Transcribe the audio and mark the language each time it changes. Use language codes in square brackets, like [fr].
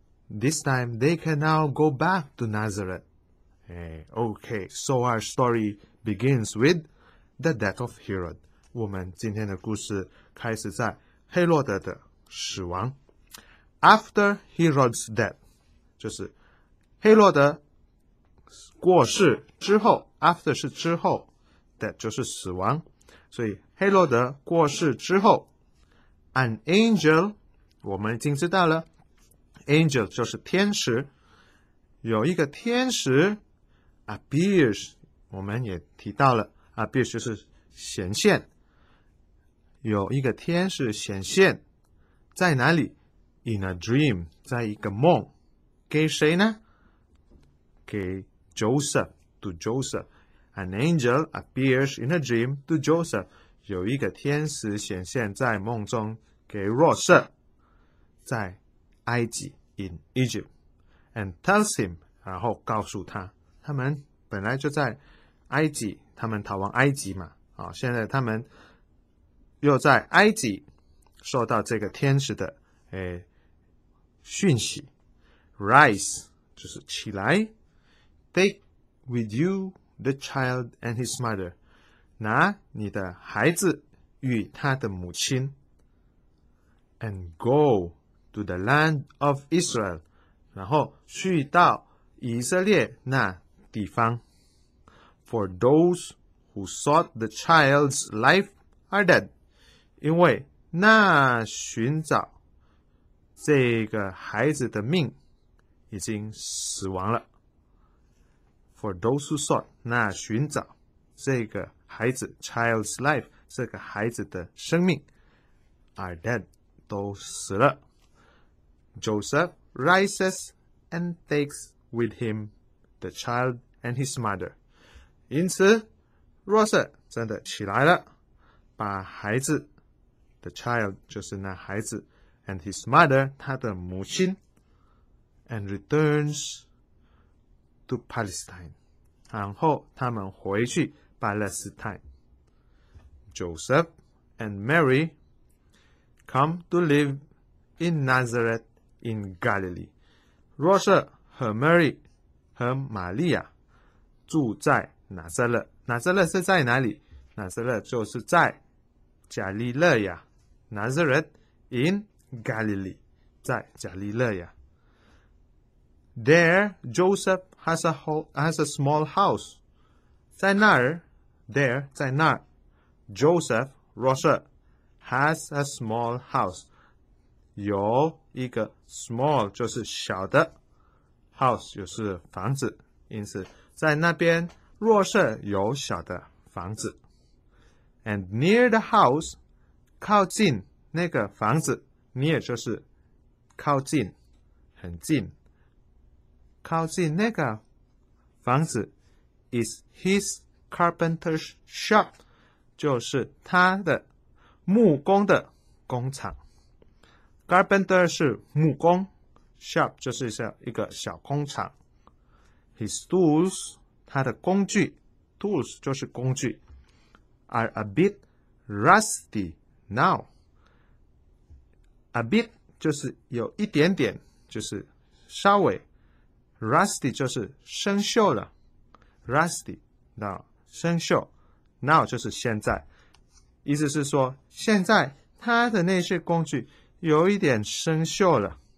[en] This time they can now go back to Nazareth. Okay, so our story begins with the death of Herod. [zh] 我们今天的故事开始在黑洛德的死亡。 [en] After Herod's death, [zh] 就是黑洛德过世之后 ,after 是之后 ,death 就是死亡。所以黑洛德过世之后 , [en] an angel, [zh] 我们已经知道了 ,angel 就是天使。有一个天使 ,appears, 我们也提到了 ,appears 就是显现。有一个天使显现在哪里 ? [en] in a dream, [zh] 在一个梦。给谁呢？给Joseph, [en] to Joseph. An angel appears in a dream to Joseph. [zh] 有一个天使显现在梦中给若瑟在埃及 [en] in Egypt. And tells him, [zh] 然后告诉他他们本来就在埃及他们逃亡埃及嘛、哦、现在他们又在埃及受到这个天使的讯息。 Rise, 就是起来。 [en] Take with you the child and his mother. [zh] 拿你的孩子与他的母亲。 [en] And go to the land of Israel. [zh] 然后去到以色列那地方。 [en] For those who sought the child's life are dead. [zh] 因为那寻找这个孩子的命已经死亡了。 [en] For those who sought, [zh] 那寻找这个孩子 [en] child's life, [zh] 这个孩子的生命 [en] are dead, [zh] 都死了。 [en] Joseph rises and takes with him the child and his mother. [zh] 因此若瑟真的起来了把孩子 [en] the child [zh] 就是那孩子 [en] and his mother, [zh] 他的母亲 [en] and returns to Palestine. [zh] 然后他们回去巴勒斯坦。 [en] Joseph and Mary come to live in Nazareth in Galilee. [zh] 若瑟和 Mary 和玛利亚住在拿撒勒。拿撒勒是在哪里？拿撒勒就是在加利勒亚。 [en] Nazareth in Galilee, [zh] 在加利勒亚。 [en] There, Joseph has a small house. [zh] 在那儿 [en] ,there, 在那儿 ,Joseph, 若瑟 has a small house. [zh] 有一个 small, 就是小的 house, 就是房子。因此在那边若瑟有小的房子。 [en] And near the house, [zh] 靠近那个房子 near 就是靠近很近。靠近那个房子 [en] is his carpenter's shop, [zh] 就是他的木工的工厂。 Carpenter 是木工 ,shop 就是像一个小工厂。 [en] His tools, [zh] 他的工具 [en] ,tools [zh] 就是工具 [en] ,are a bit rusty now. [zh] A bit 就是有一点点就是稍微。 Rusty 就是生锈了 ， [en] Rusty now [zh] 生锈 ，now 就是现在，意思是说现在他的那些工具有一点生锈了。